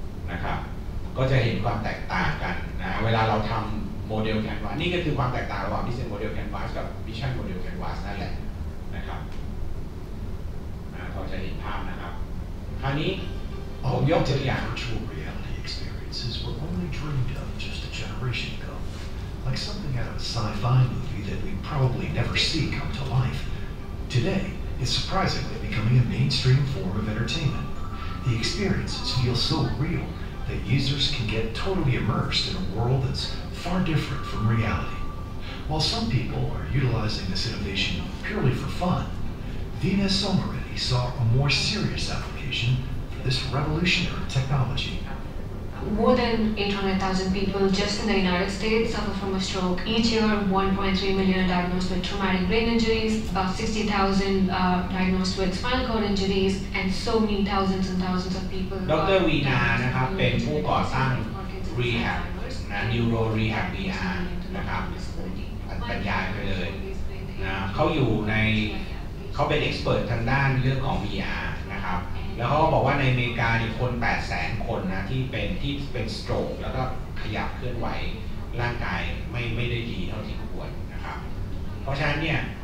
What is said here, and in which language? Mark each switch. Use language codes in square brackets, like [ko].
[th] นะครับก็จะเห็นความแตกต่างกันนะเวลาเราทำโมเดลแคนวาสนี่ก็คือความแตกต่างระหว่าง Business Model Canvas กับ Vision Model Canvas นั่นแหละนะครับพอจะเห็นภาพนะครับคราวนี้ผมยกตัวอย่าง [en] virtual reality experiences were only dreamed of just a generation agoLike something out of a sci-fi movie that we'd probably never see come to life. Today, it's surprisingly becoming a mainstream form of entertainment. The experiences feel so real that users can get totally immersed in a world that's far different from reality. While some people are utilizing this innovation purely for fun, Vina Somareddy saw a more serious application for this revolutionary technology. More than 800,000 people just in the United States suffer from a stroke each year. 1.3 million are diagnosed with traumatic brain injuries. About 60,000 are diagnosed with spinal cord injuries, and so many thousands and thousands of people. Dr. [th] Vina, นะครับ เป็นผู้ก่อตั้ง Rehab, นะ Neuro Rehab VR, นะครับ บรรยายไปเลย นะ เขาอยู่ใน เขาเป็น expert ทางด้านเรื่องของ VR, นะครับแล้วเขาก็บอกว่าในอเมริกาเนี่ยคน 800,000 คนนะที่เป็น stroke แล้วก็ขยับเคลื่อนไหวร่างกายไม่ได้ดีเท่าที่ควรนะครับเพราะฉะนั้นเนี่ย